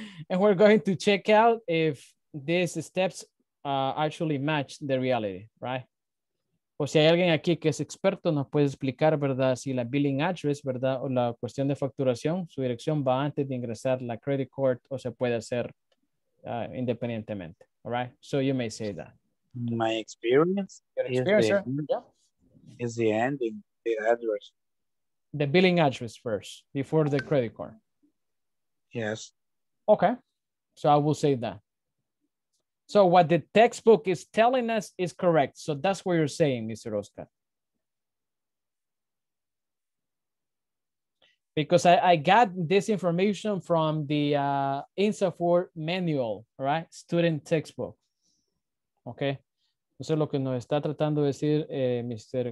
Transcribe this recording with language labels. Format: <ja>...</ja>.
<en>And we're going to check out if these steps actually match the reality, right?</en> <es>O si hay alguien aquí que es experto, nos puede explicar, ¿verdad? Si la billing address, ¿verdad? O la cuestión de facturación, su dirección va antes de ingresar la credit card o se puede hacer independientemente.</es> <en>All right? So you may say that. My experience, is the ending, the address. The billing address first, before the credit card. Yes. Okay. So I will say that. So what the textbook is telling us is correct. So that's what you're saying, Mr. Oscar. Because I got this information from the INSAFORP manual, right? Student textbook. Okay.</en> <es>Entonces lo que nos está tratando de decir, Mr.</es>